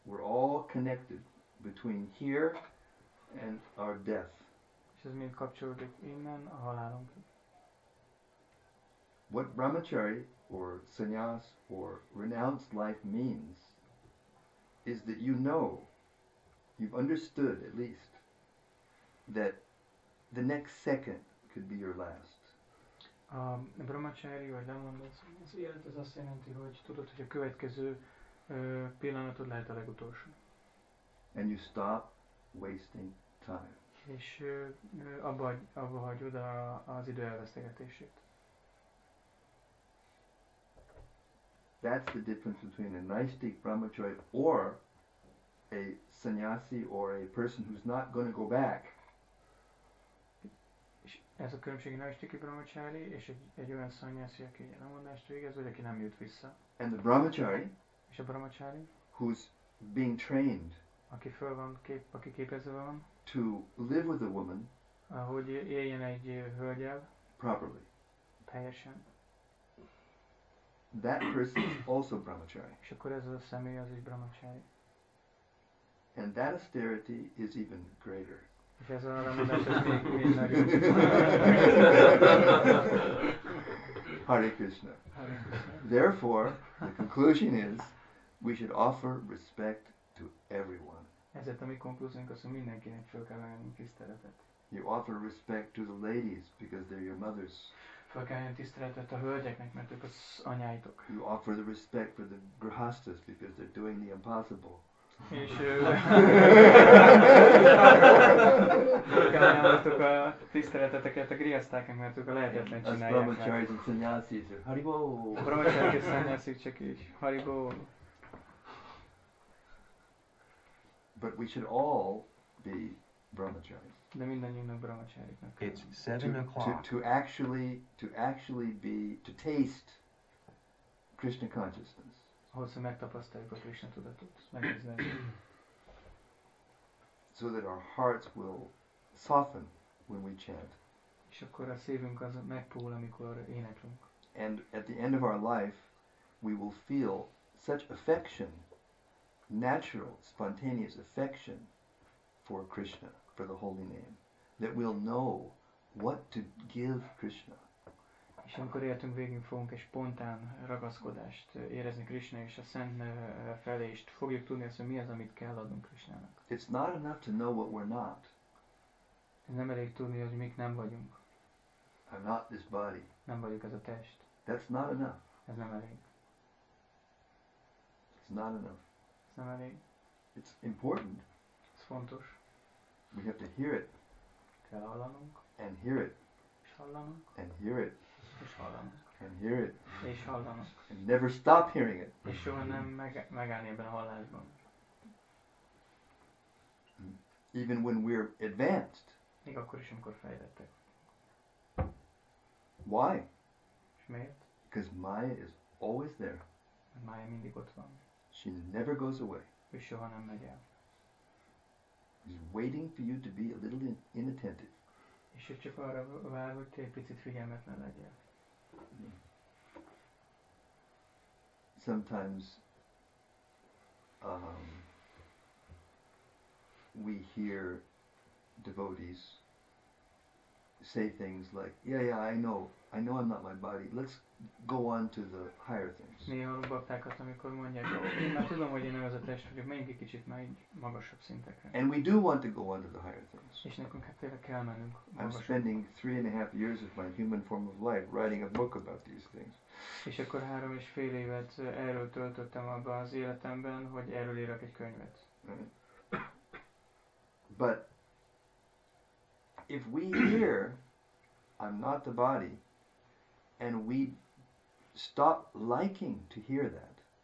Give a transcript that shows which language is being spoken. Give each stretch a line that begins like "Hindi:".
English: We're all connected between here and our death.
Hungarian: Ez mind kapcsolódik innen a halálunk.
English: What brahmachari or sannyas or renounced life means is that you know, you've understood at least, that the next second could be your last.
Hungarian: A brahmachari vagy lemondott az élet az azt jelenti, hogy tudod, hogy a következő pillanatod lehet a legutolsó.
English: And you stop wasting time.
Hungarian: És abba hagyod az idő elvesztegetését.
English: That's the difference between a naisthik brahmachari or a sannyasi or a person who's not going to go back.
Hungarian: És ez a különbség naisthiki brahmachari és egy olyan sannyasi, aki lemondást végez, vagy aki nem jut vissza.
English: And the brahmachari,
Hungarian: és a brahmachari,
English: who's being trained,
Hungarian: aki föl van, aki képezve van,
English: to live with a woman,
Hungarian: ahogy éljen egy hölgyel,
English: properly,
Hungarian: teljesen.
English: That person is also brahmachari.
Hungarian: És akkor ez a személy az is brahmachari.
English: And that austerity is even greater.
Hungarian: És ez a lemondás az még nagyobb.
English: Hare Krishna.
Hungarian: Hare Krishna.
English: Therefore, the conclusion is, we should offer respect to everyone.
Hungarian: Ezért a mi konklúziónk az, hogy mindenkinek fel kell ajánlani tiszteletet.
English: You offer respect to the ladies because they're your mothers.
Hungarian: Fel kell ajánlani tiszteletet a hölgyeknek, mert ők az anyáitok.
English: You offer the respect for the grihasthas because they're doing the impossible.
Hungarian: És fel kell ajánlani a tiszteleteteket a grihasztáknak, mert ők a lehetetlen csinálják.
English: As brahmacharis and sannyasis. Haribo!
Hungarian: Brahmacharis és sannyasis csak is. Haribo!
English: But we should all be brahmacharis.
Hungarian: De mindannyiunknak brahmacháriknak.
English: It's 7 o'clock. To taste Krishna consciousness.
Hungarian: Ahhoz, hogy megtapasztaljuk a Krishna tudatot, megnézni.
English: So that our hearts will soften when we chant.
Hungarian: És akkor a szívünk az megpuhul, amikor éneklünk.
English: And at the end of our life, we will feel such affection. Natural, spontaneous affection for Krishna, for the holy name, that we'll know what to give Krishna.
Hungarian: És amikor éltünk végig, fogunk egy spontán ragaszkodást érezni Krishna és a szent felé, és fogjuk tudni azt, hogy mi az, amit kell adnunk Krishnának.
English: It's not enough to know what we're not.
Hungarian: Ez nem elég tudni, hogy mik nem vagyunk.
English: I'm not this body.
Hungarian: Nem vagyok ez a test.
English: That's not enough.
Hungarian: Ez nem elég.
English: It's not enough. Somebody. It's important.
Hungarian: Ez fontos.
English: We have to hear it.
Hungarian: Kell hallanunk.
English: And hear it.
Hungarian: És hallanunk.
English: And hear it.
Hungarian: És hallanunk.
English: And hear it.
Hungarian: És hallanunk.
English: And never stop hearing it.
Hungarian: És soha nem megállni ebben a hallásban.
English: Even when we're advanced.
Hungarian: Még akkor is, amikor fejlettek.
English: Why?
Hungarian: És miért?
English: Because Maya is always there.
Hungarian: Maya mindig ott van.
English: She never goes away.
Hungarian: Ő soha nem megy el.
English: She's waiting for you to be a little inattentive.
Hungarian: És ő csak arra vár, hogy te egy picit figyelmetlen legyél.
English: Sometimes we hear devotees say things like, yeah, I know I'm not my body. Let's go on to the higher things.
Hungarian: Néha baktákat, amikor mondják, én már tudom, hogy én nem ez a test vagyok, menjünk egy kicsit már egy magasabb szintekre.
English: And we do want to go on to the higher things.
Hungarian: És nekünk tényleg kell mennünk magasabb.
English: I'm spending 3.5 years of my human form of life writing a book about these things.
Hungarian: És akkor 3.5 évet erről töltöttem abban az életemben, hogy erről írok egy könyvet.
English: But if we hear, I'm not the body, and we stop liking to hear that.